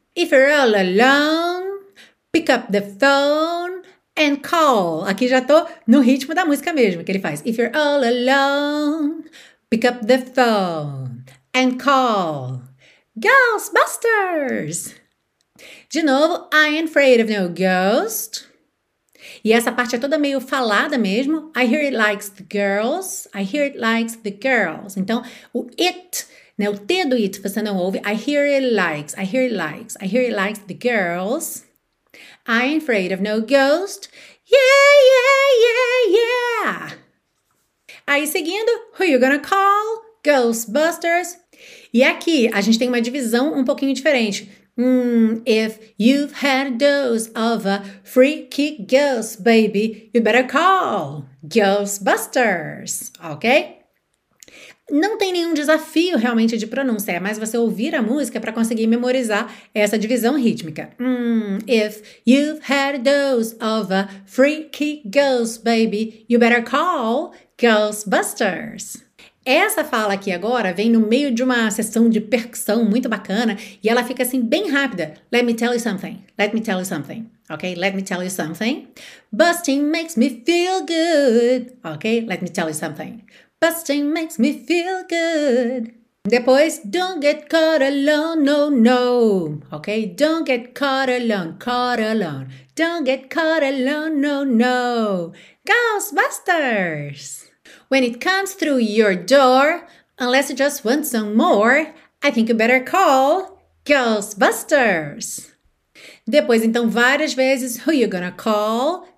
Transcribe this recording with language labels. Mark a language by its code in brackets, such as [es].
[en] If you're all alone, pick up the phone and call. [pt] Aqui já tô no ritmo da música mesmo que ele faz. [en] If you're all alone, pick up the phone and call. Ghostbusters. [pt] De novo, [en] I ain't afraid of no ghost. [pt] E essa parte é toda meio falada mesmo. [en] I hear it likes the girls. I hear it likes the girls. [pt] Então, o it, né, o T do it, você não ouve. [en] I hear it likes. I hear it likes. I hear it likes the girls. I ain't afraid of no ghost. Yeah, yeah, yeah, yeah. [pt] Aí, seguindo, [en] who you gonna call? Ghostbusters. [pt] E aqui, a gente tem uma divisão um pouquinho diferente. [en] If you've had a dose of a freaky ghost, baby, you better call Ghostbusters, ok? [pt] Não tem nenhum desafio realmente de pronúncia, é mais você ouvir a música para conseguir memorizar essa divisão rítmica. [en] If you've had a dose of a freaky ghost, baby, you better call Ghostbusters. [pt] Essa fala aqui agora vem no meio de uma sessão de percussão muito bacana e ela fica assim bem rápida. [en] Let me tell you something. Let me tell you something. Ok? Let me tell you something. Busting makes me feel good. Ok? Let me tell you something. Busting makes me feel good. [pt] Depois, [en] don't get caught alone, no, no. Ok? Don't get caught alone, caught alone. Don't get caught alone, no, no. Ghostbusters! When it comes through your door, unless you just want some more, I think you better call Ghostbusters. [pt] Depois, então, várias vezes, [en] who you gonna call?